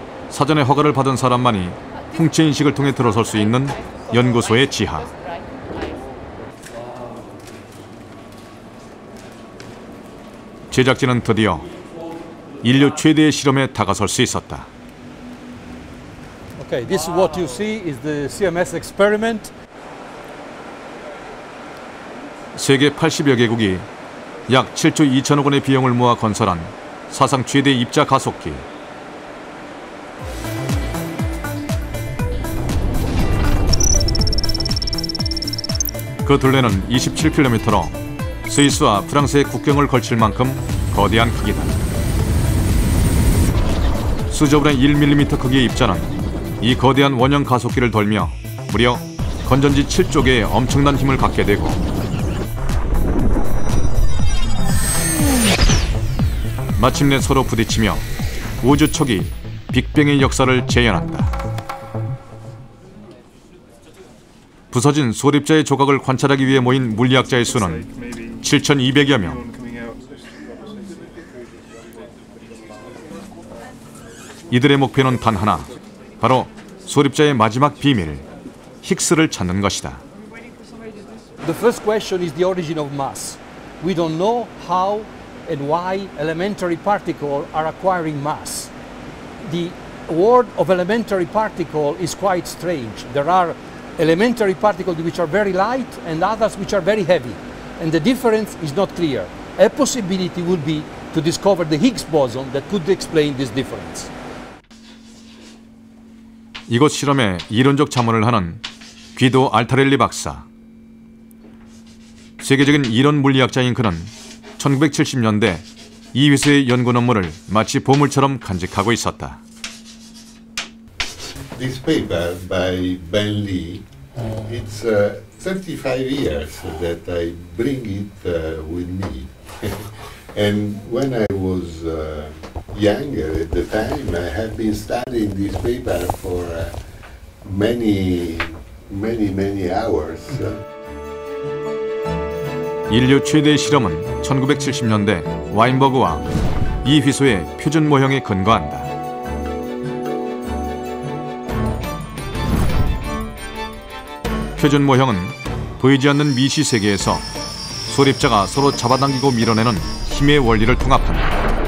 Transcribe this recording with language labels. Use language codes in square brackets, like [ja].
[ko] 사전에 허가를 받은 사람만이 풍채 인식을 통해 들어설 수 있는 연구소의 지하. 제작진은 드디어 인류 최대의 실험에 다가설 수 있었다. [en] Okay, this is what you see is the CMS experiment. [ko] 세계 80여 개국이 약 7조 2천억 원의 비용을 모아 건설한 사상 최대 입자 가속기. 그 둘레는 27km로 스위스와 프랑스의 국경을 걸칠 만큼 거대한 크기다. 수저분의 1mm 크기의 입자는 이 거대한 원형 가속기를 돌며 무려 건전지 7조 개의 엄청난 힘을 갖게 되고 마침내 서로 부딪히며 우주 초기 빅뱅의 역사를 재현한다. 부서진 소립자의 조각을 관찰하기 위해 모인 물리학자의 수는 7,200여 명. 이들의 목표는 단 하나, 바로 소립자의 마지막 비밀, 힉스를 찾는 것이다. [en] The first question is the origin of mass. We don't know how and why elementary particles are acquiring mass. The world of elementary particles is quite strange. There are elementary particles which are very light and others which are very heavy. And the difference is not clear. A possibility would be to discover the Higgs boson that could explain this difference. [ko] 이곳 실험에 이론적 자문을 하는 귀도 알타렐리 박사. 세계적인 이론 물리학자인 그는 1970년대 이 휘소의 연구 논문을 마치 보물처럼 간직하고 있었다. [en] This paper by Ben Lee, it's 35 years that I bring it with me. And when I was younger at the time, I had been studying this paper for many hours. [ko] 인류 최대의 실험은 1970년대 와인버그와 이 휘소의 표준 모형에 근거한다. 표준 모형은 보이지 않는 미시 세계에서 소립자가 서로 잡아당기고 밀어내는 힘의 원리를 통합한다.